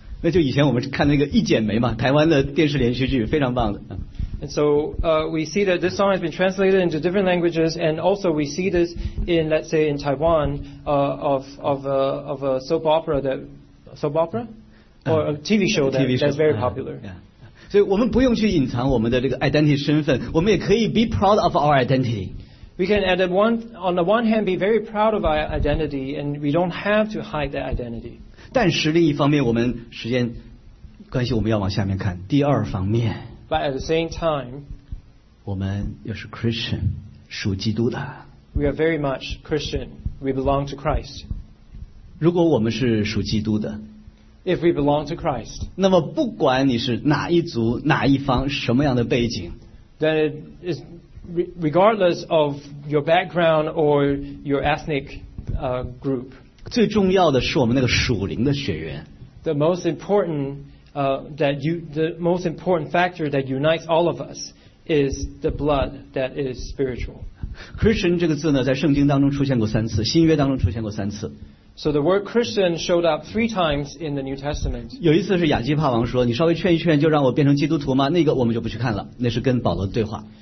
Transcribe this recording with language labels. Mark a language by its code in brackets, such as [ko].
[zh] 那就以前我们看那个一剪梅嘛，台湾的电视连续剧非常棒的。 [en] And so we see that this song has been translated into different languages, and also we see this in, let's say, in Taiwan of a soap opera, or a TV show that's very popular. Yeah. [zh] 所以我们不用去隐藏我们的这个 identity 身份，我们也可以 [en] be proud of our identity. We can on the one hand be very proud of our identity, and we don't have to hide that identity. [zh] 但是另一方面，我们时间关系，我们要往下面看。第二方面 [en] ，But at the same time， [zh] 我们又是 Christian， 属基督的。 [en] We are very much Christian. We belong to Christ. [zh] 如果我们是属基督的。 [en] If we belong to Christ, [zh] 那么不管你是哪一族哪一方什么样的背景， [en] then it is regardless of your background or your ethnic group. [zh] 最重要的是我们那个属灵的血缘。 [en] The most important factor that unites all of us is the blood that is spiritual. [zh] Christian 这个字呢，在圣经当中出现过三次，新约当中出现过三次。 [en] So the word Christian showed up three times in the New Testament. [zh] 有一次是亚基帕王说，你稍微劝一劝就让我变成基督徒吗？那个我们就不去看了，那是跟保罗对话。